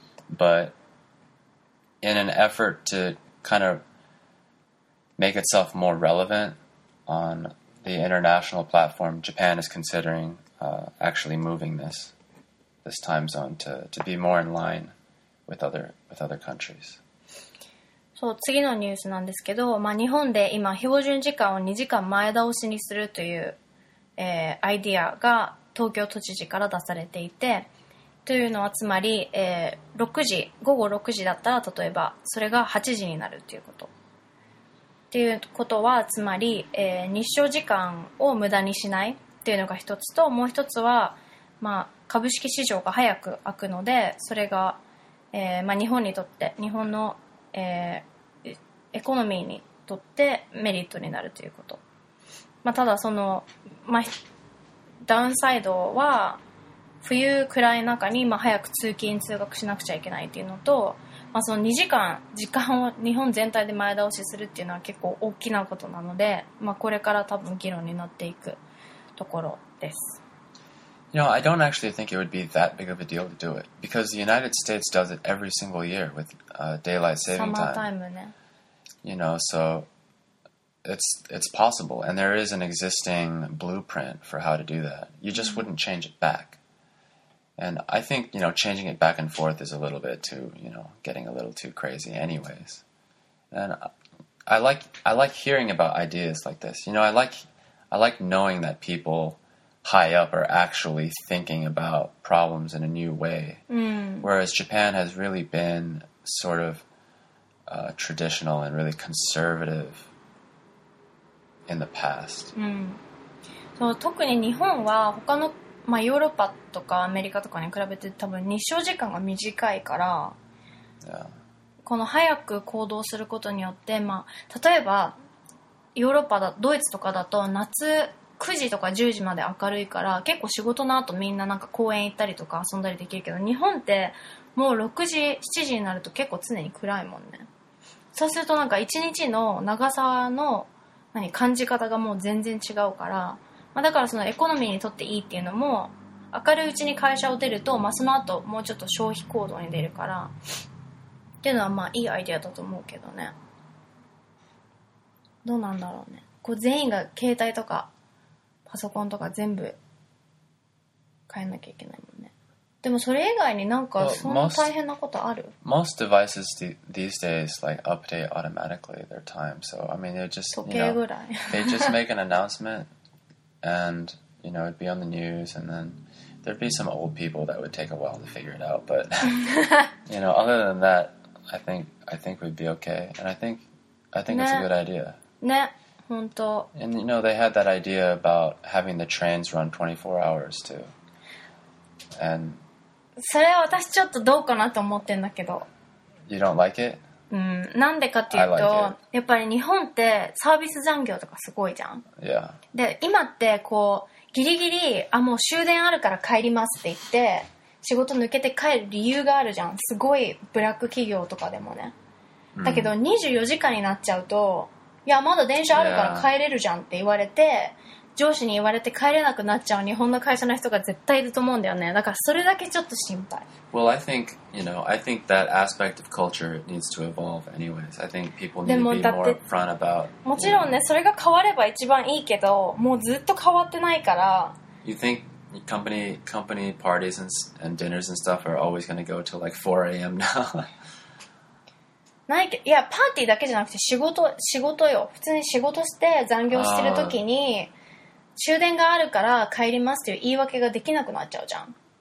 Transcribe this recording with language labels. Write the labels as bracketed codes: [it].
[en] But in an effort to kind of make itself more relevant on the international platform, Japan is considering actually moving this time zone to be more in line with other countries. [ja] そう、次のニュースなんですけど、まあ、日本で今標準時間を2時間前倒しにするという、アイディアが東京都知事から出されていて、というのはつまり、6時、午後6時だったら例えばそれが8時になるということ。ということはつまり、日照時間を無駄にしないというのが一つと、もう一つは、まあ、株式市場が早く開くので、それが、まあ、日本にとって、日本のエコノミーにとってメリットになるということ、まあ、ただその、まあ、ダウンサイドは冬暗い中に、まあ、早く通勤通学しなくちゃいけないっていうのと、まあ、その2時間時間を日本全体で前倒しするっていうのは結構大きなことなので、まあ、これから多分議論になっていくところです。 [en] You know, I don't actually think it would be that big of a deal to do it because the United States does it every single year withDaylight saving time. You know, so it's possible. And there is an existing blueprint for how to do that. You just wouldn't change it back. And I think, you know, changing it back and forth is a little bit too, you know, getting a little too crazy anyways. And I like hearing about ideas like this. You know, I like knowing that people high up are actually thinking about problems in a new way. Whereas Japan has really beenSort of traditional and really conservative in the past.、 [ja] うん、そう、特に日本は他の、まあ、ヨーロッパとかアメリカとかに比べて多分日照時間が短いから、 [en] yeah. [ja] この早く行動することによって、まあ、例えばヨーロッパだドイツとかだと夏9時とか10時まで明るいから結構仕事の後みんななんか公園行ったりとか遊んだりできるけど、日本ってもう6時7時になると結構常に暗いもんね。そうするとなんか1日の長さの何感じ方がもう全然違うから、まあ、だからそのエコノミーにとっていいっていうのも、明るいうちに会社を出ると、まあ、その後もうちょっと消費行動に出るからっていうのはまあいいアイデアだと思うけどね。どうなんだろうね。こう全員が携帯とかパソコンとか全部変えなきゃいけないもんね。でもそれ以外になんかそんな大変なことある？ [en] Most devices these days like update automatically their time. So I mean they're just, you know, they just make an announcement and you know it'd be on the news and then there'd be some old people that would take a while to figure it out. But you know other than that, I think we'd be okay. And I think、ね、it's a good idea. [ja] ね。本当。 [en] And you know they had that idea about having the trains run 24 hours too. And [ja] それは私ちょっとどうかなと思ってんだけど。 [en] You don't like it? [ja] うん。なんでかっていうと、やっぱり日本ってサービス残業とかすごいじゃん。 [en] Yeah. [ja] で今ってこうギリギリあもう終電あるから帰りますって言って仕事抜けて帰る理由があるじゃん。すごいブラック企業とかでもね。だけど24時間になっちゃうと。いやまだ電車あるから帰れるじゃんって言われて、上司に言われて帰れなくなっちゃう日本の会社の人が絶対いると思うんだよね。だからそれだけちょっと心配。 [en] Well, I think, you know, I think that aspect of culture needs to evolve anyways. I think people need to be more upfront about. [ja] もちろんね、それが変われば一番いいけど、もうずっと変わってないから。 [en] You think company parties and dinners and stuff are always going to go till like 4 a.m. now. [ja] ないけいやパーティーだけじゃなくて仕事よ普通に仕事して残業してるときに終電があるから帰りますっていう言い訳ができなくなっちゃうじゃん。